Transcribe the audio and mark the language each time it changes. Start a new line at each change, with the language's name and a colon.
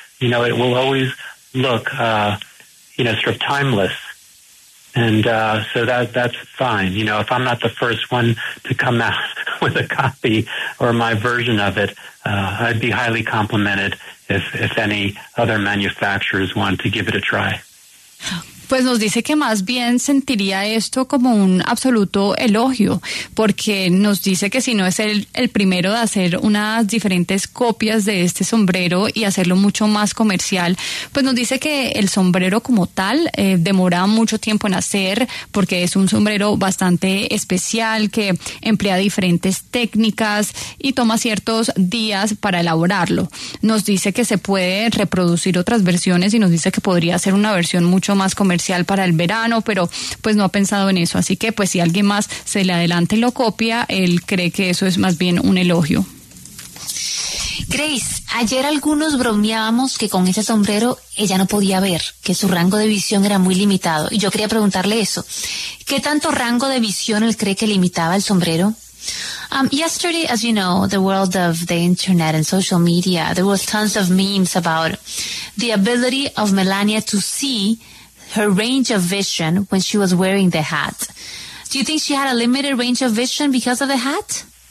English: It will always look, sort of timeless. And so that's fine. If I'm not the first one to come out with a copy or my version of it, I'd be highly complimented if any other manufacturers want to give it a try.
Spanish: Pues nos dice que más bien sentiría esto como un absoluto elogio, porque nos dice que si no es el primero de hacer unas diferentes copias de este sombrero y hacerlo mucho más comercial, pues nos dice que el sombrero como tal demora mucho tiempo en hacer, porque es un sombrero bastante especial que emplea diferentes técnicas y toma ciertos días para elaborarlo. Nos dice que se puede reproducir otras versiones y nos dice que podría ser una versión mucho más comercial para el verano, pero pues no ha pensado en eso, así que pues si alguien más se le adelanta y lo copia, él cree que eso es más bien un elogio. Grace, ayer algunos bromeábamos que con ese sombrero ella no podía ver, que su rango de visión era muy limitado, y yo quería preguntarle eso, ¿qué tanto rango de visión él cree que limitaba el sombrero?
English: Yesterday, as you know, the world of the internet and social media, there was tons of memes about the ability of Melania to see her range of vision when she was wearing the hat. Do you think she had a limited range of vision because of the hat?